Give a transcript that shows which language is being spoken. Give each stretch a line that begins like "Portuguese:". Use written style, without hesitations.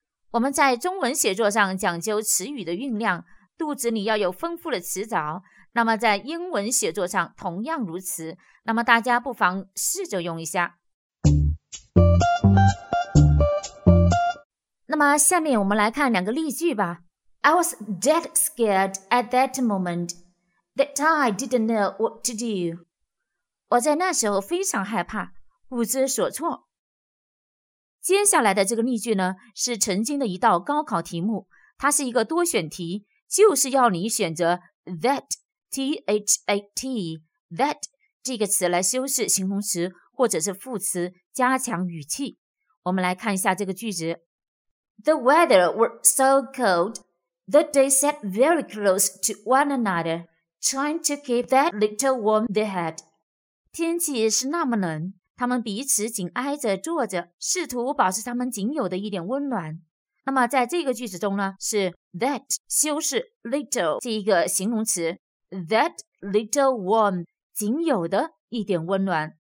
Chinese: 我们在中文写作上讲究词语的酝酿，肚子里要有丰富的词藻，那么在英文写作上同样如此，那么大家不妨试着用一下。那么下面我们来看两个例句吧。
English: I was dead scared at that moment that I didn't know what to do.
Chinese: 我在那时候非常害怕，不知所措。接下来的这个例句呢，是曾经的一道高考题目，它是一个多选题，就是要你选择 that, T-H-A-T, that 这个词来修饰形容词或者是副词，加强语气。我们来看一下这个句子。
English: The weather was so cold, the day sat very close to one another, trying to keep that little warm they had.
Chinese: 天气是那么冷，他们彼此紧挨着坐着，试图保持他们仅有的一点温暖。那么在这个句子中呢，是 that 修饰 little 这一个形容词，
English: that little warm
Chinese: 仅有的一点温暖。